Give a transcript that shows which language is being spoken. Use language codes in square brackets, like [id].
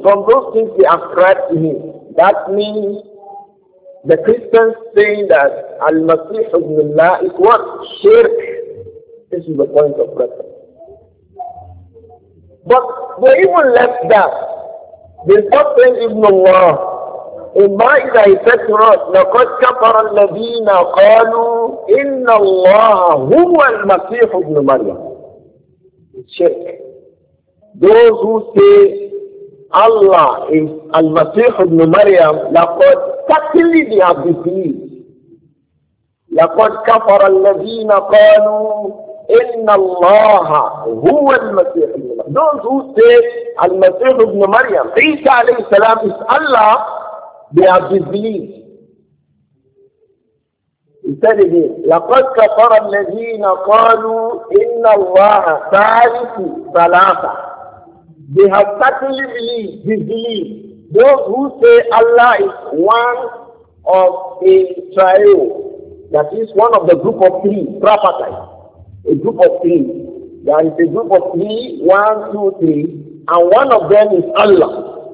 [en] From those things they ascribe to Him. That means the Christians saying that Al-Masih ibn Allah is what? Shirk. This is the point of reference. But they even left that. They stopped saying Ibn Allah. In my day, he said to us, [ar] الَّذِينَ قَالُوا إِنَّ اللَّهَ هُوَ الْمَسِيحُ ابْنُ مَرْيَمُ. [en] Shirk. Those who say Allah is Al-Masih ibn Maryam, لَقَدْ certainly they have disbelieved. [ar] لَقَدْ كَفَرَ الَّذِينَ قَالُوا إِنَّ اللَّهَ هُوَ الْمَسِيحُ ابْنُ مَرْيَمُ. [en] Those who say Al-Masih ibn Maryam, Isa alayhi salam is Allah, they have disbelieved. He said again, [ar] لَقَدْ كَفَرَ الَّذِينَ قَالُوا إِنَّ اللَّهَ ثَالِثُ ثَلَاثَةٍ. [en] They have certainly believed, disbelieved. Those who say Allah is one of a trio, that is one of the group of three, tripartite, a group of three. There is a group of three, one, two, three, and one of them is Allah.